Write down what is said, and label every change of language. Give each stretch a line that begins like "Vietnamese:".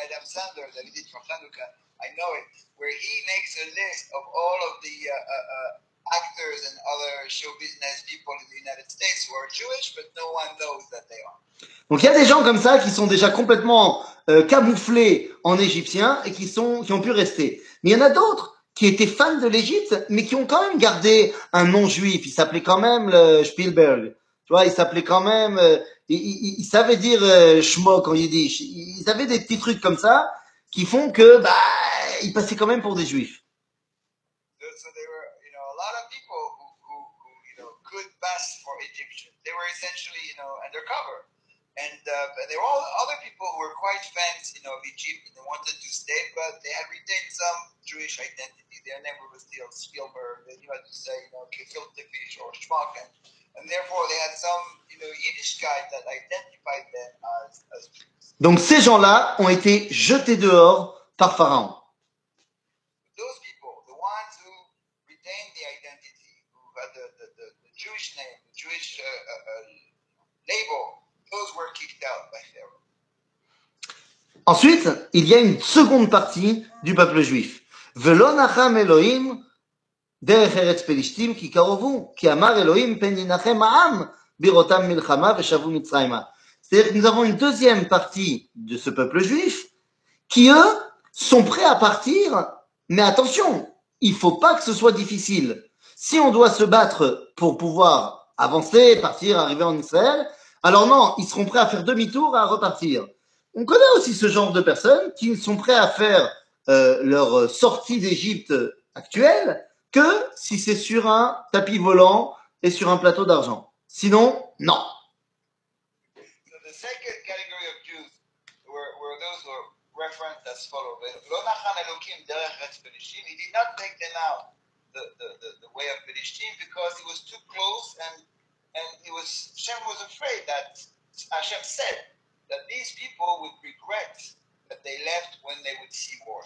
English: Sandler that he did for Hanukkah, I know it, where he makes a list of all of the actors and other show business people in the United States who are Jewish, but no one knows that they are.
French: Donc il y a des gens comme ça qui sont déjà complètement camouflés en Égyptien et qui ont pu rester. Mais il y en a d'autres qui étaient fans de l'Égypte, mais qui ont quand même gardé un nom juif. Il s'appelait quand même le Spielberg. Tu vois, il s'appelait quand même... Il savait dire schmock en yiddish. Ils avaient des petits trucs comme ça qui font que bah ils passaient quand même pour des juifs.
English: So there were, you know, a lot of people who you know could pass for Egyptians. They were essentially, you know, undercover. And there were all other people who were quite fans, you know, of Egypt and they wanted to stay, but they had retained some Jewish identity. Their name was still Spielberg. They knew how to say, you know, gefilte fish or schmock. And therefore, they had some, you know, Yiddish guy that identified them as Jews.
French: Donc ces gens-là ont été jetés dehors par Pharaon.
English: Those people, the ones who retained the identity, who had the Jewish name, the Jewish label, those were kicked out by Pharaoh.
French: Ensuite, il y a une seconde partie du peuple juif.
Hebrew: Velo nacham Elohim. דרך ארץ פלישתים כי קרובו כי אמר אלוהים פן ינחם העם בראותם מלחמה ושבו מצרימה.
French: Nous avons une deuxième partie de ce peuple juif qui eux sont prêts à partir, mais attention, il faut pas que ce soit difficile. Si on doit se battre pour pouvoir avancer, partir, arriver en Israël, alors non, ils seront prêts à faire demi-tour à repartir. On connaît aussi ce genre de personnes qui sont prêts à faire leur sortie d'Égypte actuelle que si c'est sur un tapis volant et sur un plateau d'argent. Sinon, non.
English: So the second category of Jews were those who are referenced as followers.
Hebrew: Lo nacham Elokim derech Eretz Pelishtim.
English: He did not take them out the way of Pelishtim because it was too close and it was Hashem was afraid that Hashem said that these people would regret that they left when they would see war.